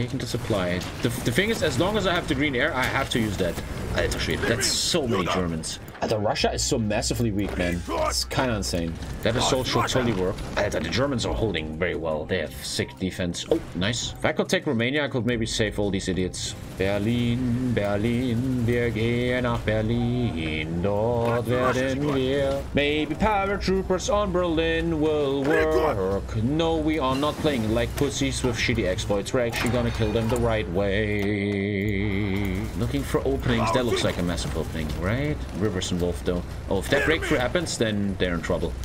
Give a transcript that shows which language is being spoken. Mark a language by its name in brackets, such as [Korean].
[English] The thing is, as long as I have the green air, I have to use that. That's so many Germans. The Russia is so massively weak, man. It's kind of insane. That assault should totally work. The Germans are holding very well. They have sick defense. Oh, nice. If I could take Romania, I could maybe save all these idiots. [German] Berlin, Berlin, wir gehen nach Berlin. Dort werden wir. [English] Maybe paratroopers on Berlin will work. No, we are not playing like pussies with shitty exploits. We're actually gonna kill them the right way. Looking for openings. That looks like a massive opening, right? River's involved, though. Oh, if that breakthrough happens, then they're in trouble.